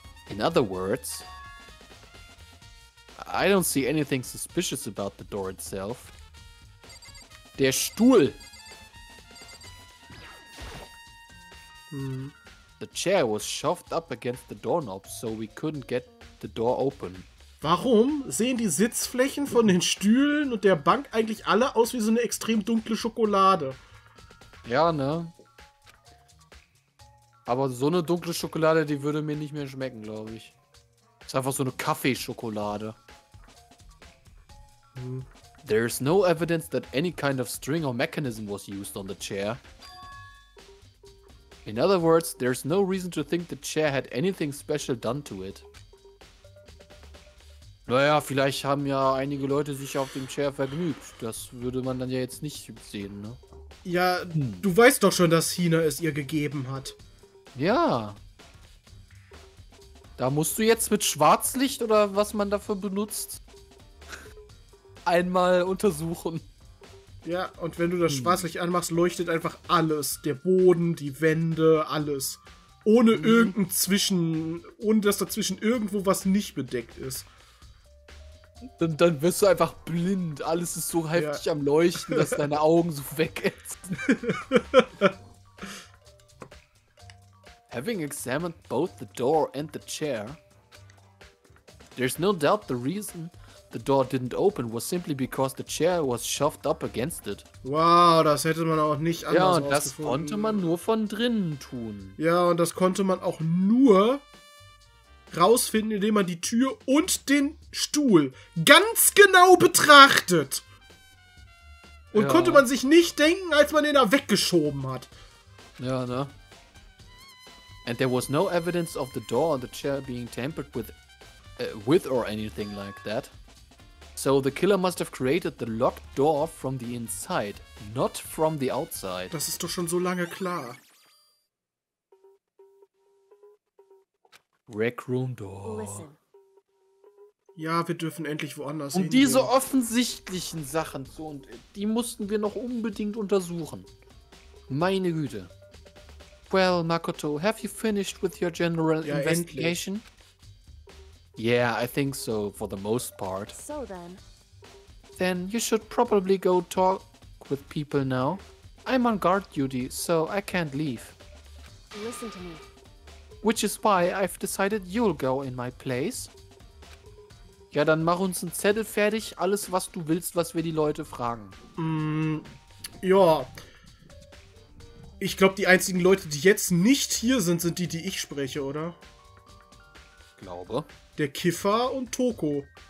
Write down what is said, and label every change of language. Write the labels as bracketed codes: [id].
[en] In other words, I don't see anything suspicious about the door itself. [de] Der Stuhl! [en] The chair was shoved up against the doorknob, so we couldn't get the door open. [de] Warum sehen die Sitzflächen von den Stühlen und der Bank eigentlich alle aus wie so eine extrem dunkle Schokolade? Ja, ne? Aber so eine dunkle Schokolade, die würde mir nicht mehr schmecken, glaube ich. Ist einfach so eine Kaffeeschokolade. [en] There is no evidence that any kind of string or mechanism was used on the chair. In other words, there's no reason to think the chair had anything special done to it. [de] Naja, vielleicht haben ja einige Leute sich auf dem Chair vergnügt. Das würde man dann ja jetzt nicht sehen, ne? Ja, du weißt doch schon, dass Hina es ihr gegeben hat. Ja. Da musst du jetzt mit Schwarzlicht oder was man dafür benutzt, einmal untersuchen. Ja, und wenn du das Schwarzlicht anmachst, leuchtet einfach alles. Der Boden, die Wände, alles. Ohne irgendein Zwischen... Ohne, dass dazwischen irgendwo was nicht bedeckt ist. Dann wirst du einfach blind. Alles ist so heftig am Leuchten, dass deine Augen so wegätzen. [en] Having examined both the door and the chair, there's no doubt the reason the door didn't open was simply because the chair was shoved up against it. [de] Wow, das hätte man auch nicht anders ausgefunden. Ja, und das konnte man nur von drinnen tun. Ja, und das konnte man auch nur rausfinden, indem man die Tür und den Stuhl ganz genau betrachtet. Und konnte man sich nicht denken, als man den da weggeschoben hat. Ja, ne? [en] And there was no evidence of the door on the chair being tampered with, with or anything like that. So the killer must have created the locked door from the inside, not from the outside. [de] Das ist doch schon so lange klar. [en] Rec Room Door. [de] Listen. Ja, wir dürfen endlich woanders hingehen. Und diese offensichtlichen Sachen, so, und die mussten wir noch unbedingt untersuchen. Meine Güte. [en] Well, Makoto, have you finished with your general investigation? [de] Endlich. [en] Yeah, I think so, for the most part. So then. Then you should probably go talk with people now. I'm on guard duty, so I can't leave. Listen to me. Which is why I've decided you'll go in my place. [de] Ja, dann mach uns einen Zettel fertig, alles was du willst, was wir die Leute fragen. Ja. Ich glaube, die einzigen Leute, die jetzt nicht hier sind, sind die, die ich spreche, oder? Glaube. Der Kiffer und Toko.